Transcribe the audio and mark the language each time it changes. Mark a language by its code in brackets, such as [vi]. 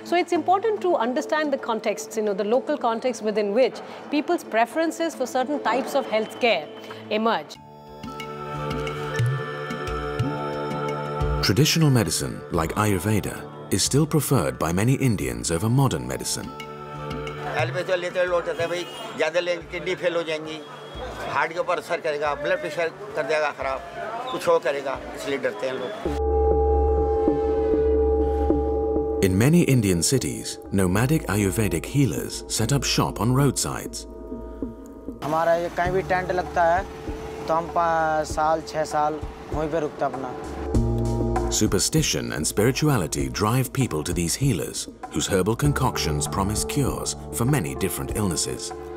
[en] So it's important to understand the contexts, you know, the local context within which people's preferences for certain types of healthcare emerge. Traditional medicine, like Ayurveda, is still preferred by many Indians over modern medicine. [hi] Alopecia लेते हैं लोटे से भाई ज़्यादा लेंगे kidney fail हो जाएंगी, heart के ऊपर असर करेगा, ब्लड प्रेशर कर देगा खराब, कुछ हो करेगा, इसलिए डरते हैं लोग. [en] In many Indian cities, nomadic Ayurvedic healers set up shop on roadsides. [hi] हमारा ये कहीं भी टेंट लगता है, तो हम साल छह साल वहीं पे रुकते अपना. [en] Superstition and spirituality drive people to these healers, whose herbal concoctions promise cures for many different illnesses.